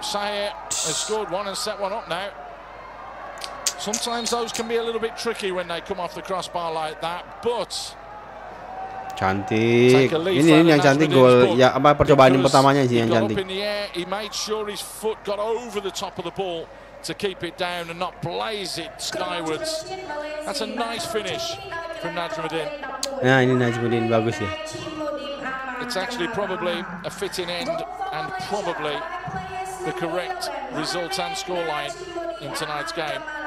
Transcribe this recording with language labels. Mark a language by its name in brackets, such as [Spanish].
[English] Sayet has scored one and set one up now. Sometimes those can be a little bit tricky when they come off the crossbar like that, but [Indonesian] cantik. Ini yang cantik gol ya, apa percobaan yang pertamanya sih yang cantik. [English] He made sure his foot got over the top of the ball to keep it down and not blaze it skywards. That's a nice finish from Najmuddin. [Indonesian] Nah, ini Najmuddin bagus ya. [English] It's actually probably a fitting end and probably the correct result and scoreline in tonight's game.